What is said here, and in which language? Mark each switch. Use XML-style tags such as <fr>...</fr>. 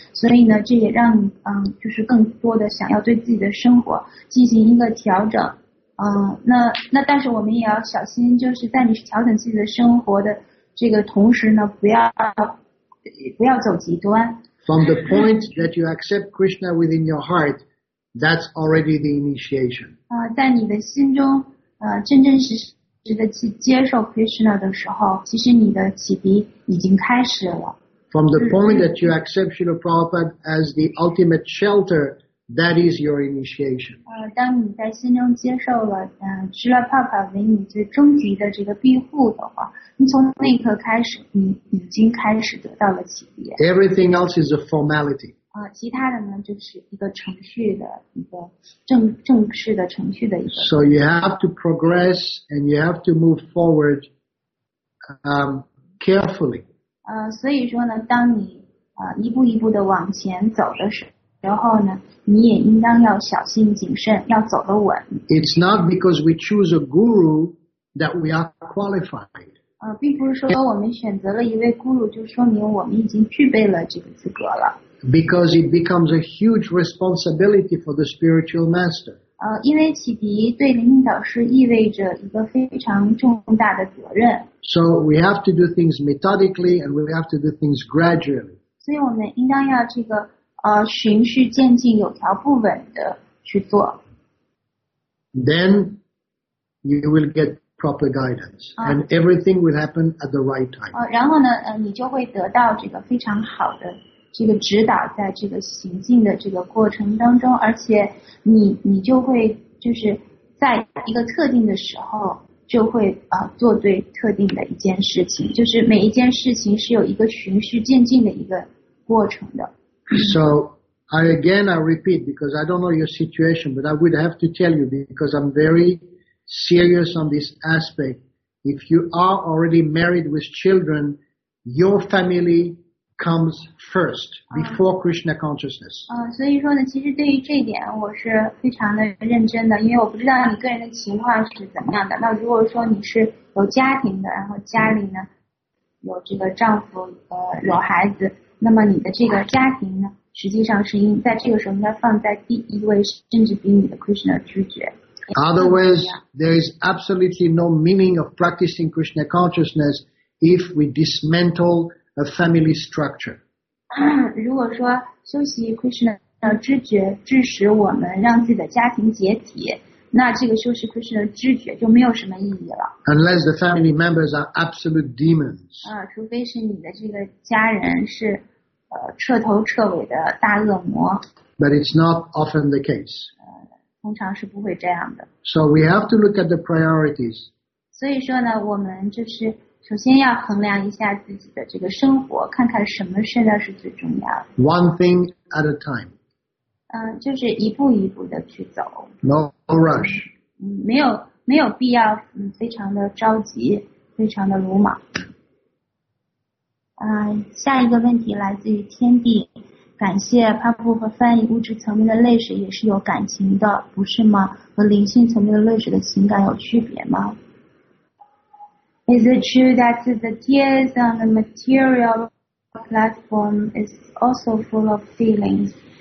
<zh>所以呢，这也让你就是更多的想要对自己的生活进行一个调整。那但是我们也要小心，就是在你调整自己的生活的这个同时呢，不要走极端。</zh> <en>From the point that you accept Krishna within your heart, that's already the initiation.</en> <zh>在你的心中，真真实实。值得去接受 Krishna 的时候，其实你的启迪已经开始了。</zh> <en>From the point that you accept Srila Prabhupada as the ultimate shelter, that is your initiation.</en> <zh>当你在心中接受了Srila Prabhupada 为你最终极的这个庇护的话，你从那一刻开始，你已经开始得到了启迪。</zh> <en>Everything else is a formality.</en> <zh>其他的呢，就是一个程序的一个正式的程序的一个。</zh> <en>So you have to progress and you have to move forward, carefully.</en> <zh>所以说呢，当你一步一步的往前走的时候呢，你也应当要小心谨慎，要走得稳。</zh> <en>It's not because we choose a guru that we are qualified.</en> <zh>并不是说我们选择了一位 guru 就说明我们已经具备了这个资格了。</zh> <en>Because it becomes a huge responsibility for the spiritual master.</en> <zh>因为启迪对领导是意味着一个非常重大的责任。</zh> <en>So we have to do things methodically and we have to do things gradually.</en> <zh>所以我们应当要这个循序渐进有条不紊的去做。</zh> <en>Then you will get proper guidance, and everything will happen at the right time.</en> <zh>然后呢，你就会得到这个非常好的这个指导，在这个行进的这个过程当中，而且你就会就是在一个特定的时候就会做对特定的一件事情，就是每一件事情是有一个循序渐进的一个过程的。</zh> <en>So I repeat, because I don't know your situation, but I would have to tell you, because I'm very serious on this aspect, if you are already married with children, your familycomes first before Krishna consciousness.</en> <zh>所以说呢，其实对于这一点我是非常的认真的，因为我不知道你个人的情况是怎么样的。那如果说你是有家庭的，然后家里呢有这个丈夫有孩子，那么你的这个家庭呢实际上是应在这个时候应该放在第一位，甚至比你的 Krishna 拒绝。</zh> <en>Otherwise, there is absolutely no meaning of practicing Krishna consciousness if we dismantle a family structure.</en> <zh>如果说修习 Krishna 知觉致使我们让自己的家庭解体，那这个修习 Krishna 知觉就没有什么意义了。</zh> <en>Unless the family members are absolute demons.</en> <zh>除非是你的这个家人是彻头彻尾的大恶魔。</zh> <en>But it's not often the case.</en> <zh>通常是不会这样的。</zh> <en>So we have to look at the priorities.</en> <zh>所以说呢，我们就是首先要衡量一下自己的这个生活，看看什么现在是最重要的。</zh> <en>One thing at a time.</en> <zh>就是一步一步的去走。</zh> <en>No rush.</en> <zh>没有必要非常的着急，非常的鲁莽。下一个问题来自于天地，感谢帕布和翻译，物质层面的泪水也是有感情的，不是吗？和灵性层面的泪水的情感有区别吗？</zh> <en>Is it true that the tears on the material platform is also full of feelings?</en>